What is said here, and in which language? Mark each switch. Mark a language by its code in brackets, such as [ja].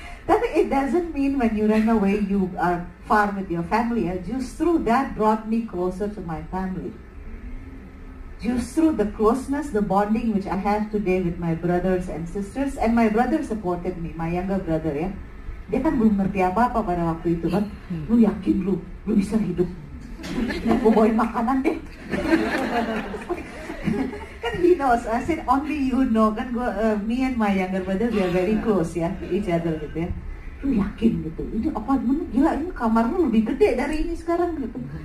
[en] Tapi it doesn't mean when you run away you are far with your family. Justru that brought me closer to my family. Justru the closeness, the bonding which I have today with my brothers and sisters, and my brother supported me, my younger brother ya. [id] Dia kan belum ngerti apa-apa pada waktu itu kan. Lu yakin lu bisa hidup? Gue bawain makanan deh. [en] Kan he knows, I said only you know kan gue, me and my younger brother we are very close ya, each other gitu ya. [id] Lu yakin gitu, ini apartemen gila, ini kamar lu lebih gede dari ini sekarang gitu.